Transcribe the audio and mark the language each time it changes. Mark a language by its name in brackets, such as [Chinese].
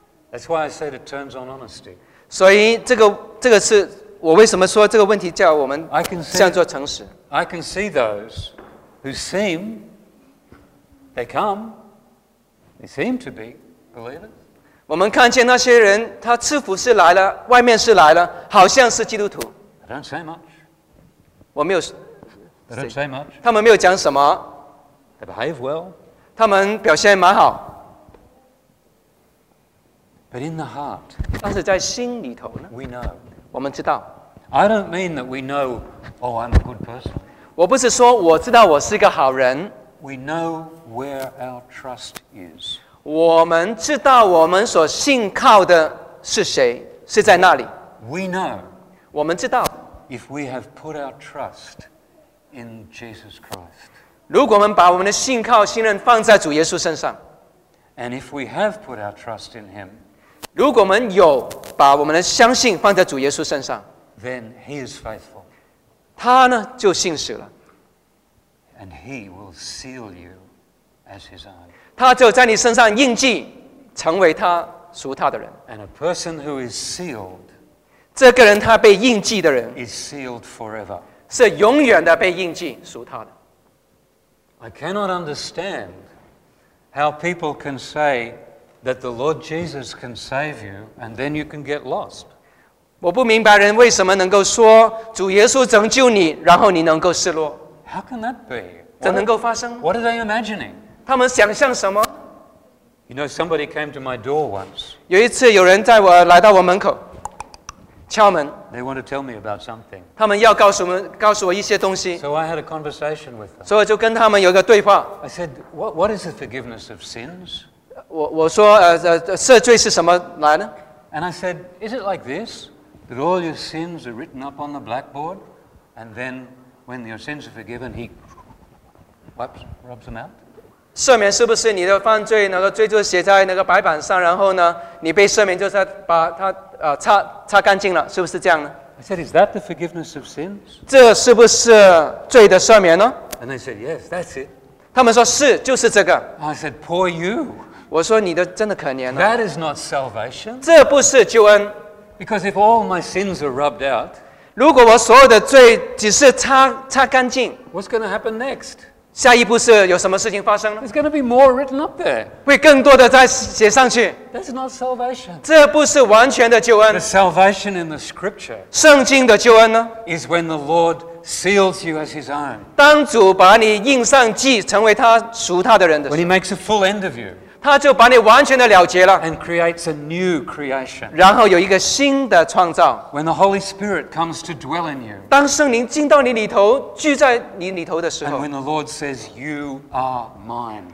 [English] That's why I said it turns on honesty. [Chinese] 所以这个是我为什么说这个问题叫我们这样做诚实？ [English] I can see those who seem they come they seem to be believers. [Chinese] 我们看见那些人，他似乎是来了，外面是来了，好像是基督徒。 [English] I don't say much. [Chinese] 我没有。 [English] They don't say much. [Chinese] 他们没有讲什么。 [English] They behave well. [Chinese] 他们表现蛮好。 [English] But in the heart, [Chinese] 但是在心里头呢 [English] we know. [Chinese] 我们知道。 [English] I don't mean that we know, oh, I'm a good person. [Chinese] 我不是说我知道我是一个好人。 [English] We know where our trust is. [Chinese] 我们知道我们所信靠的是谁，是在那里。 [English] We know. [Chinese] 我们知道。 [English] If we have put our trust in Jesus Christ. [Chinese] 如果我们把我们的信靠、信任放在主耶稣身上。 [English] And if we have put our trust in Him. [Chinese] 如果我们有把我们的相信放在主耶稣身上。 [English] Then he is faithful. [Chinese] 他呢就信实了。 [English] And he will seal you as his own. [Chinese] 他就在你身上印记，成为他属他的人。 [English] And a person who is sealed, [Chinese] 这个人他被印记的人 [English] is sealed forever. [Chinese] 是永远的被印记属他的。 [English] I cannot understand how people can say that the Lord Jesus can save you and then you can get lost. [Chinese] 我不明白人为什么能够说主耶稣拯救你，然后你能够失落。 [English] How can that be? [Chinese] 怎能够发生 [English] ？What are they imagining? [Chinese] 他们想象什么 [English] ？You know, somebody came to my door once. [Chinese] 有一次，有人在我来到我门口敲门。 [English] They want to tell me about something. [Chinese] 他们要告诉我一些东西。 [English] So I had a conversation with them. [Chinese] 所以我就跟他们有个对话。 [English] I said, "What is the forgiveness of sins?" [Chinese] 我说赦罪是什么来呢 [English] ？And I said, "Is it like this?" That all your sins are written up on the blackboard, and then when your sins are forgiven, he wipes, rubs them out. [Chinese] 赦免是不是你的犯罪那个罪就写在那个白板上，然后呢，你被赦免就是把它擦干净了，是不是这样呢 [English] ？I said, "Is that the forgiveness of sins?" [Chinese] 这是不是罪的赦免呢 [English] ？And they said, "Yes, that's it." [Chinese] 他们说是，就是这个。 [English] I said, "Poor you." [Chinese] 我说你的真的可怜了。 [English] That is not salvation. [Chinese] 这不是救恩。 [English] Because if all my sins are rubbed out, [Chinese] 如果我所有的罪只是擦干净 [English] ，What's going to happen next? [Chinese] 下一步是有什么事情发生呢 [English] ？There's going to be more written up there. [Chinese] 会更多的再写上去。 [English] That's not salvation. [Chinese] 这不是完全的救恩。 [English] The salvation in the Scripture, [Chinese] 圣经的救恩呢 [English] ？Is when the Lord seals you as His own. [Chinese] 当主把你印上记，成为他属他的人的时候。 [English] When He makes a full end of you. [Chinese] 他就把你完全的了结了 [English] and creates a new creation. [Chinese] 然后有一个新的创造 [English] When the Holy Spirit comes to dwell in you, [Chinese] 当圣灵进到你里头居在你里头的时候 [English] and when the Lord says, "You are mine."